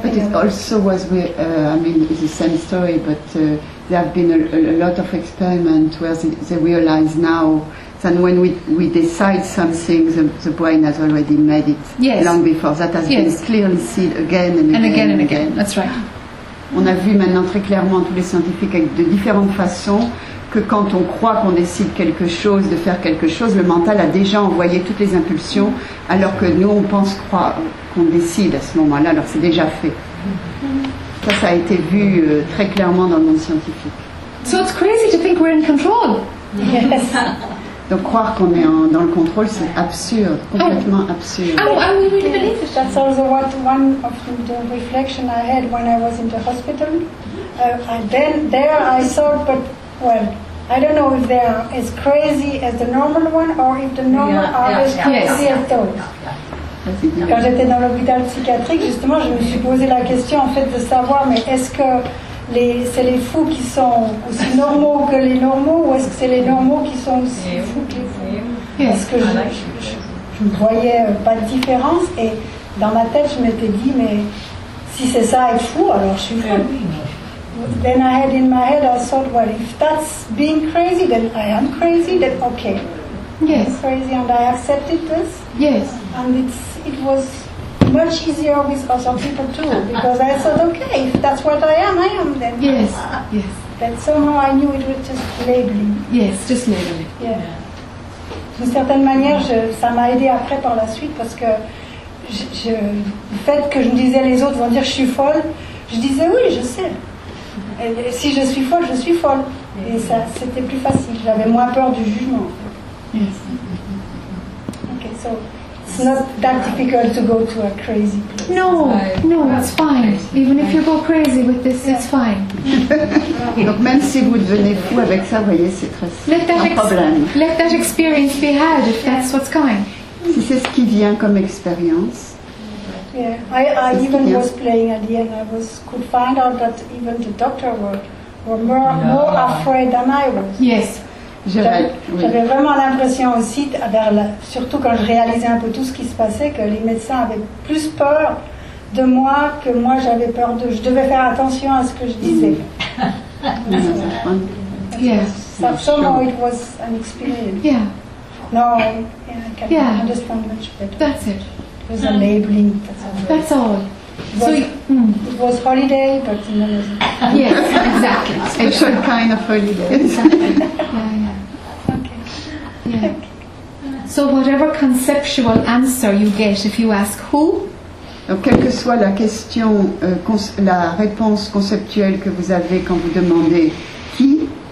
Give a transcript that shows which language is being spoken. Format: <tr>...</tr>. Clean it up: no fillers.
<en>But it also was it's the same story. But there have been a lot of experiments where they realize now that when we decide something, the brain has already made it. Yes. Long before that has been clearly seen again and again. That's right.</en> <fr>On a vu maintenant très clairement tous les scientifiques de différentes façons que quand on croit qu'on décide quelque chose, de faire quelque chose, le mental a déjà envoyé toutes les impulsions alors que nous on pense croire qu'on décide à ce moment-là, alors c'est déjà fait. Ça a été vu très clairement dans le monde scientifique.</fr> <en>So it's crazy to think we're in control. Yes.</en> <fr>Donc croire qu'on est dans le contrôle, c'est absurde, complètement absurde.</fr> <en>Oh, I really believe it. That's also what one of the reflection I had when I was in the hospital. Then I thought, but well, I don't know if they are as crazy as the normal one or if the normal are as crazy as those.</en> <fr>Quand j'étais dans l'hôpital psychiatrique, justement, je me suis posé la question en fait de savoir, mais est-ce que c'est les fous qui sont aussi normaux que les normaux, ou est-ce que c'est les normaux qui sont aussi fous que les fous? Parce que je ne voyais pas de différence, et dans ma tête, je m'étais dit, mais si c'est ça être fou, alors je suis fou.</fr> <en>Then I had in my head, I thought, well, if that's being crazy, then I am crazy, then okay. Yes. I'm crazy, and I accepted this. Yes. And it was much easier with other people too, because I thought, okay, if that's what I am then. Yes, yes. But somehow I knew it was just labeling. Yes, just labeling. Yeah.</en> <fr>D'une certaine manière, ça m'a aidé après par la suite, parce que le fait que je me disais les autres vont dire je suis folle, je disais oui, je sais. Et si je suis folle, je suis folle. Et ça, c'était plus facile, j'avais moins peur du jugement. Yes.</fr> <en>Okay, so it's not that difficult to go to a crazy place. No, it's fine. Even if you go crazy with this, it's fine.</en> <fr>Donc même si vous devenez fou avec ça, voyez, c'est très simple.</fr> <en>Let that experience be had if that's what's coming.</en> <fr>Si c'est ce qui vient comme expérience.</fr> <en>Yeah, I even was playing at the end. I could find out that even the doctor were more afraid than I was. Yes.</en> <fr>J'avais vraiment l'impression aussi, surtout quand je réalisais un peu tout ce qui se passait, que les médecins avaient plus peur de moi que moi j'avais peur de. Je devais faire attention à ce que je disais.</fr> <en>Yes. Somehow it was an experience. Yeah. No, I can't understand much better. That's it. It was a labeling. That's all. It was holiday, but in another. Yes, exactly. It's a special kind of holiday. So whatever conceptual answer you get, if you ask who,</en> <fr>donc quelle que soit la question, la réponse conceptuelle que vous avez quand vous demandez qui,</fr>